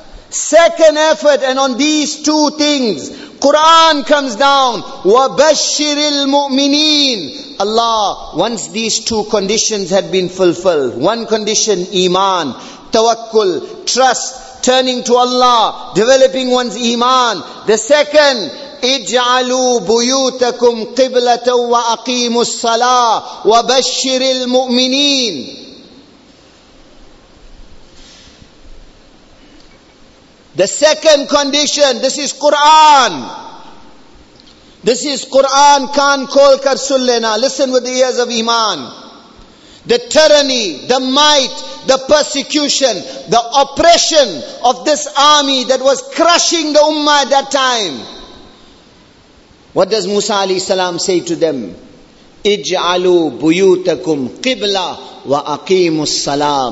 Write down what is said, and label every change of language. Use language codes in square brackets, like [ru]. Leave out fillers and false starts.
[en] Second effort, and on these two things, Quran comes down. [ar] وبشر المؤمنين. [en] Allah, once these two conditions had been fulfilled, one condition, iman, tawakkul, trust, turning to Allah, developing one's iman. The second, [ar] اجعلوا بيوتكم قبلة وأقيموا الصلاة وبشر المؤمنين. [en] The second condition, this is Quran. This is Quran, Khan Kol Kar Sullena. Listen with the ears of iman. The tyranny, the might, the persecution, the oppression of this army that was crushing the Ummah at that time. What does Musa alayhi salam say to them? [ar] اجعلوا بيوتكم قبلة وأقيموا الصلاة.